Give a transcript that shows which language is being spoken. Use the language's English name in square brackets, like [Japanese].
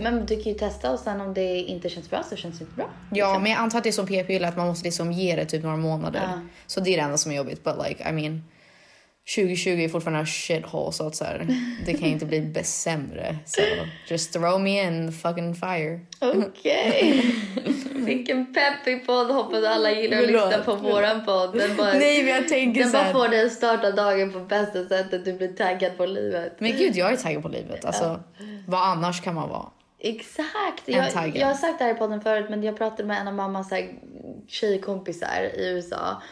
[Swedish] Men du kan ju testa och sen om det inte känns bra så känns det inte bra. Ja, men jag antar att det är som p-piller att man måste liksom ge det typ några månader. Så det är det enda som är jobbigt. [English] But like, I mean, [Swedish] 2020 är fortfarande shithole så att så här, det kan ju inte bli sämre. [English] So, just throw me in the fucking fire. [Swedish] Okej. Okay. Vilken peppig podd, hoppas alla gillar att lyssna på våran podd. Den bara, nej, men jag tänker den så bara får den starta dagen på bästa sättet, du blir taggad på livet. Men gud, jag är taggad på livet, alltså. Vad annars kan man vara? Exakt. Jag har sagt det här i podden förut, men jag pratade med en av mammas tjejkompisar i USA.